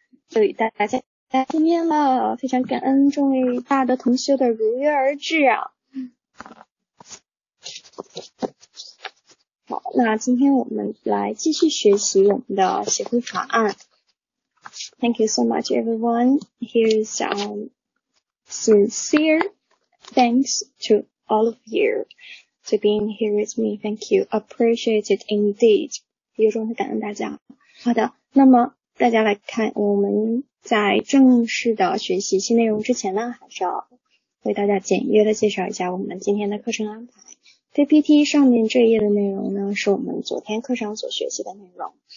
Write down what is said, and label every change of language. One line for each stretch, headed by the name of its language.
Chinese: 又与大家见面了，非常感恩众位大的同学的如约而至啊。好，那今天我们来继续学习我们的协会法案。
English: Thank you so much, everyone. Here's sincere thanks to all of you to being here with me. Thank you, appreciate it indeed.
Chinese: 由衷的感恩大家。好的，那么大家来看，我们在正式的学习新内容之前呢，还是要为大家简约的介绍一下我们今天的课程安排。 PPT 上面这一页的内容呢，是我们昨天课程所学习的内容。